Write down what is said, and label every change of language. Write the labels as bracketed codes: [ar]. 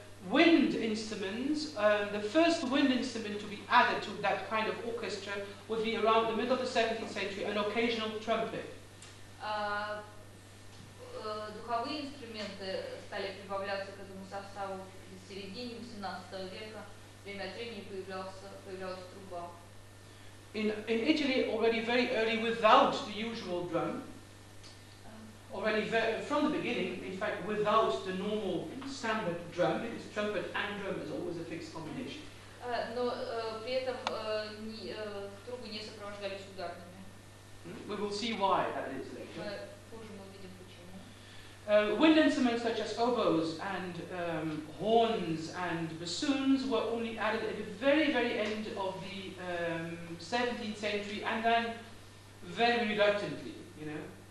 [en] Wind instruments. The first wind instrument to be added to that kind of orchestra would be around the middle of the 17th century, an occasional trumpet. [ru] Духовые инструменты стали прибавляться к этому составу в середине 18 века. Время от времени появлялась труба. [en] In Italy, already very early, without the usual drum, already from the beginning, in fact, without the normal standard drum, because trumpet and drum is always a fixed combination. [ru] Но при этом трубы не сопровождались ударными. [en] We will see why that is later. Wind instruments such as oboes and horns and bassoons were only added at the very, very end of the 17th century, and then very reluctantly, you know.